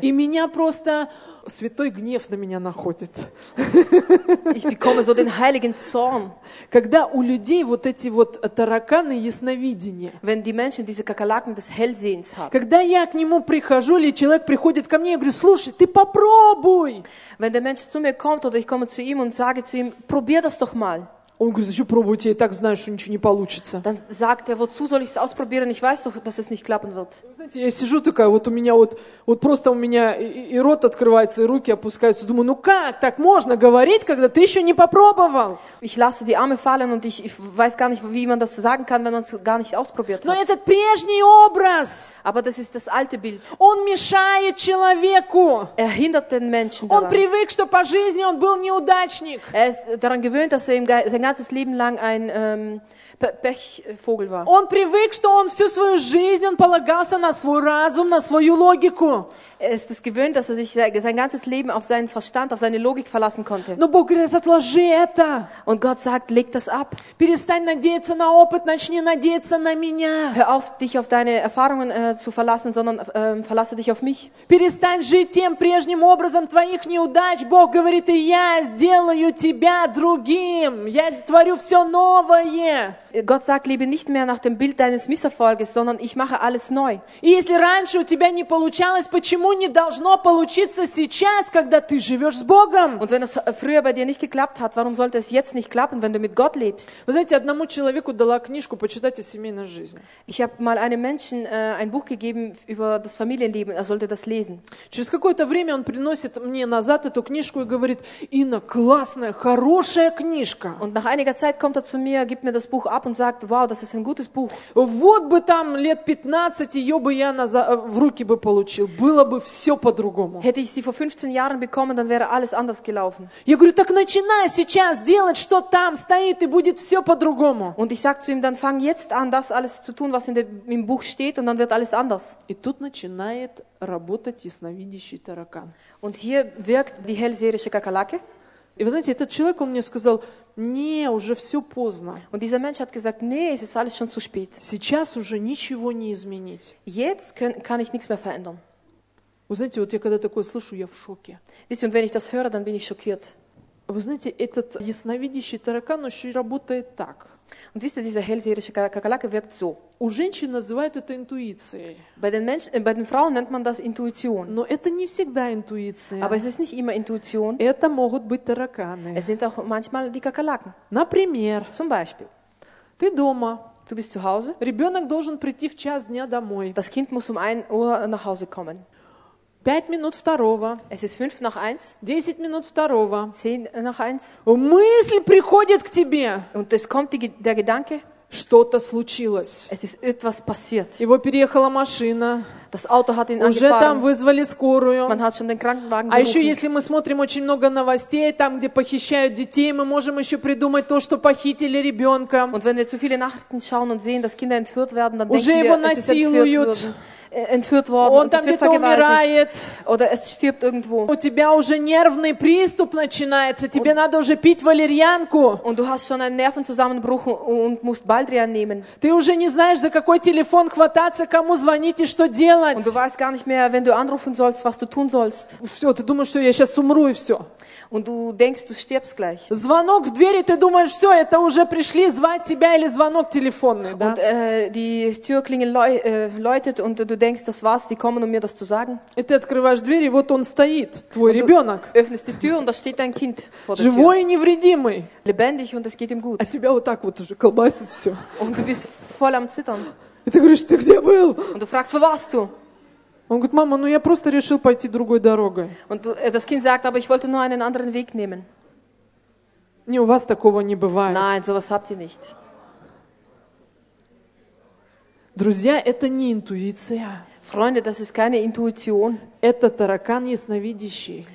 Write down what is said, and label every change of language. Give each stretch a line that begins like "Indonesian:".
Russian: И меня просто Святой гнев на меня находит.
German: Ich bekomme so den heiligen Zorn.
Russian: Когда у людей вот эти вот тараканы ясновидения.
German: Wenn die Menschen diese Kakerlaken des Hellsehens haben.
Russian: Когда я к нему прихожу, или человек приходит ко мне, я говорю, слушай, ты попробуй.
German: Wenn der Mensch zu mir kommt, oder ich komme zu ihm und sage zu ihm, probier das doch mal.
Russian: Он говорит, зачем пробовать, я и так знаю, что ничего не получится.
German: Dann sagt er, wozu soll ich es ausprobieren? Ich weiß doch, dass es nicht klappen wird.
Russian: Знаете, я сижу такая, вот у меня вот, вот просто у меня и рот открывается, и руки опускаются. Думаю, ну как так можно говорить, когда ты еще не попробовал?
German: Ich lasse die Arme fallen und ich weiß gar nicht, wie man das sagen kann, wenn man es gar nicht ausprobiert hat.
Russian: Но этот прежний образ.
German: Aber das ist das alte Bild.
Russian: Он мешает человеку.
German: Er hindert den Menschen
Russian: daran. Он привык, что по жизни он был неудачник.
German: Er ist daran gewöhnt, dass er ihm sein ganzes Leben lang ein Pechvogel war.
Russian: Он привык, что он всю свою жизнь он полагался на свой разум, на свою логику.
German: Er ist es gewöhnt, dass er sich sein ganzes Leben auf seinen Verstand, auf seine Logik verlassen konnte.
Russian: Но Бог говорит, отложи это.
German: Und Gott sagt, leg das ab.
Russian: Перестань надеяться на опыт, начни надеяться на меня.
German: Hör auf, dich auf deine Erfahrungen zu verlassen, sondern verlasse dich auf mich.
Russian: Перестань жить тем прежним образом твоих неудач. Бог говорит, и я сделаю тебя другим. Я творю все новое.
German: Gott sagt, lebe nicht mehr nach dem Bild deines Misserfolges, sondern ich mache alles neu.
Russian: И если раньше у тебя не получалось, почему не должно получиться сейчас, когда ты живешь с Богом?
German: Und wenn es früher bei dir nicht geklappt hat, warum sollte es jetzt nicht klappen, wenn du mit Gott lebst?
Russian: Вы знаете, одному человеку дала книжку почитать о семейной жизни.
German: Ich habe mal einem Menschen ein Buch gegeben über das Familienleben, er sollte das lesen.
Russian: Через какое-то время он приносит мне назад эту книжку и говорит: Инна, классная, хорошая книжка.
German: Und nach einiger Zeit kommt er zu mir, gibt mir das Buch ab und sagt: Wow, das ist ein gutes Buch.
Russian: Вот бы там лет 15 ее бы я в руки бы получил, было бы все по-другому.
German: Hätte ich sie vor 15 Jahren bekommen, dann wäre alles anders gelaufen.
Russian: Я говорю: Так начинай сейчас делать, что там стоит, и будет все по-другому.
German: Und ich sag zu ihm: Dann fang jetzt an, das alles zu tun, was im Buch steht, und dann wird alles anders.
Russian: И тут начинает работать ясновидящий таракан.
German: Und hier wirkt die hellseherische Kakerlake.
Russian: И вы знаете, этот человек, он мне сказал: Не, уже все поздно.
German: Und dieser Mensch hat gesagt: Nee, es ist alles schon zu spät.
Russian: Сейчас уже ничего не изменить.
German: Jetzt kann ich nichts mehr verändern.
Russian: Вы знаете, вот я когда такое слышу, я в шоке.
German: Wisst ihr, und wenn ich das höre, dann bin ich schockiert.
Russian: Вы знаете, этот ясновидящий таракан еще работает так.
German: Und wisst ihr, dieser hellseherische Kakerlake wirkt so.
Russian: У женщин называют это интуицией.
German: Bei den Frauen nennt man das Intuition.
Russian: Но это не всегда интуиция.
German: Aber es ist nicht immer Intuition.
Russian: Это могут быть тараканы.
German: Es sind auch manchmal die Kakerlaken.
Russian: Например.
German: Zum Beispiel.
Russian: Ты дома.
German: Du bist zu Hause.
Russian: Ребенок должен прийти в час дня домой.
German: Das Kind muss um 1 Uhr nach Hause kommen.
Russian: 5 минут второго.
German: Es ist 5 nach 1.
Russian: 10 минут второго.
German: 10 nach 1.
Russian: Мысль приходит к тебе.
German: Und es kommt der Gedanke.
Russian: Что-то случилось.
German: Es ist etwas passiert.
Russian: Его переехала машина.
German: Das Auto hat ihn
Russian: уже
German: angefahren.
Russian: Там вызвали скорую.
German: Man hat schon den Krankenwagen gerufen.
Russian: А еще если мы смотрим очень много новостей, там, где похищают детей, мы можем еще придумать то, что похитили ребенка.
German: Und wenn wir zu viele Nachrichten schauen und sehen, dass Kinder entführt werden, dann
Russian: уже
German: denken wir,
Russian: насилуют.
German: Es ist entführt worden. Entführt worden,
Russian: он там где-то умирает.
German: Oder es stirbt irgendwo.
Russian: У тебя уже нервный приступ начинается. Тебе und, надо уже пить валерьянку.
German: Und du hast schon einen Nervenzusammenbruch und musst Baldrian nehmen.
Russian: Ты уже не знаешь, за какой телефон хвататься, кому звонить и что делать.
German: Und du weißt gar nicht mehr, wenn du anrufen sollst, was du tun sollst.
Russian: Все, ты думаешь, что я сейчас умру и все.
German: Und du denkst, du stirbst gleich.
Russian: Звонок в двери, ты думаешь, все, это уже пришли звать тебя или звонок телефонный, да?
German: Und die Türklingel läutet und du denkst, das war's, die kommen, um mir das zu sagen.
Russian: И ты открываешь дверь, и вот он стоит, твой
German: und
Russian: ребенок.
German: Öffnest die Tür und da steht dein Kind vor der
Russian: Живой
German: Tür.
Russian: И невредимый.
German: Lebendig und es geht ihm gut.
Russian: А тебя вот так вот уже колбасит все.
German: Und du bist voll am Zittern.
Russian: И ты говоришь, ты где был?
German: Und du fragst, wo warst du?
Russian: Он говорит: Мама, ну я просто решил пойти другой дорогой.
German: Und das Kind sagt: Aber ich wollte nur einen anderen Weg nehmen.
Russian: Не, у вас такого не бывает.
German: Nein, sowas habt ihr nicht.
Russian: Друзья, это не интуиция.
German: Freunde, das ist keine Intuition.
Russian: Это таракан ясновидящий.